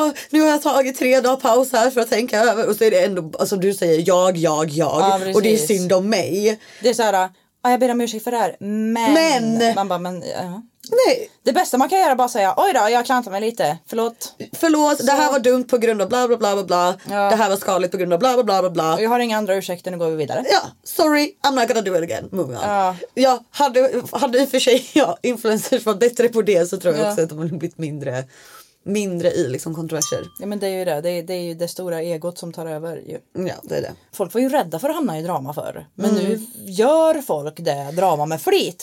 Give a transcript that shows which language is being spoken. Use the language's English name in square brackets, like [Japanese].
[Swedish] Nu har jag tagit 3 dagar paus här för att tänka över, och så är det ändå, alltså du säger jag och det är synd om mig. Det är så här, jag ber om ursäkt för det här, men man bara, men nej. Det bästa man kan göra är bara säga, oj då, jag klantar mig lite, förlåt. Förlåt, så. Det här var dumt på grund av bla bla bla bla bla. Det här var skadligt på grund av bla bla bla bla bla. Jag har inga andra ursäkter, nu går vi vidare. [English] Ja, sorry, I'm not gonna do it again, moving on. [Swedish] Ja, hade i och för sig influencers varit bättre på det, så tror jag också att de har blivit mindre i liksom kontroverser. Ja, men det är ju det. Det är ju det stora egot som tar över ju. Ja, det är det. Folk var ju rädda för att hamna i drama förr. Men nu gör folk det, drama med flit.